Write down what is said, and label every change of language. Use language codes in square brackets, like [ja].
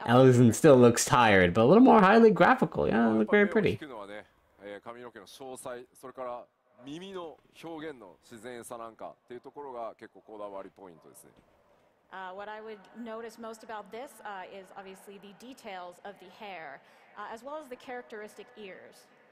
[en] Elizan still looks tired, but a little more highly graphical. Yeah, it looks very pretty. [ja] 耳の表現の自然さなんかっていうところが結構こだわりポイントですね。 [en] What I would notice most about this, is obviously the details of the hair, as well as the characteristic ears.